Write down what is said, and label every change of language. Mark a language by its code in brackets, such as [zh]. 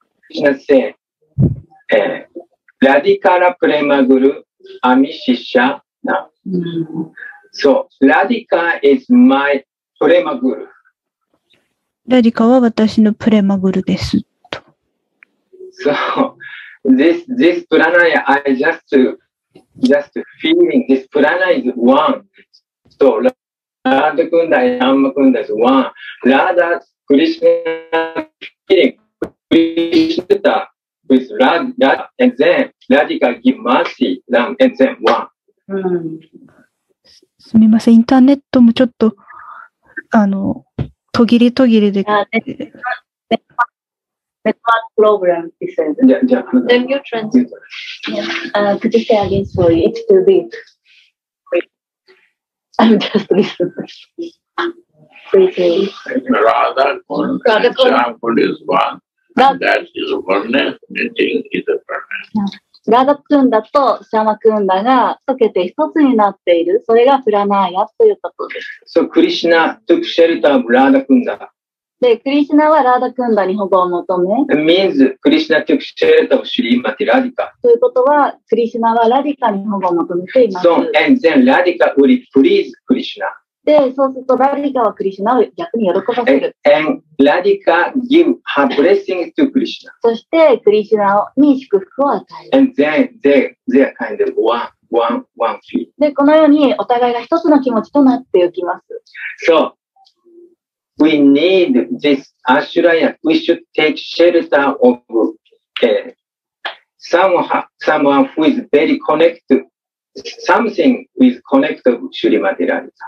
[en] しなせ、ラディカラプレマグルアミシシャナ。そう、ラディカー is my プレマグル。 [ja] ラディカーは私のプレマグルです。そ [en] う、this pranaya, I just feeling this prana is one. So, Radha Kunda and Shama Kunda is one. Radha Krishna feeling Krishna with Radha and then Radhika give mercy them and then one.、 [ja] すみません、インターネットもちょっと途切れ途切れで。 [en] Network problem, he said. Then you translate. Could you say again, sorry, it's too big. I'm just listening. Radha Kunda is one. That is oneness. Meeting is a [ja] permanence. Radha Kunda と Shama Kunda が溶けて一つになっている。それがプラナーヤということです。 [en] So Krishna took shelter of Radha Kunda. [ja] で、クリシナはラダクンダに保護を求め。 [en] It means Krishna took shelter of Shrimati Radhika. [ja] ということは、クリシナはラディカに保護を求めています。 [en] So, and then Radhika would please Krishna. [ja] で、そうするとラディカはクリシナを逆に喜ばせる。 [en] And Radhika give her blessing to Krishna. [ja] そして、クリシナに祝福を与える。 [en] And then they are kind of one feeling. [ja] で、このようにお互いが一つの気持ちとなっていきます。 [en] So,We need this Ashraya. We should take shelter of someone who is very connected, something who is connected with Shrimati Radhika.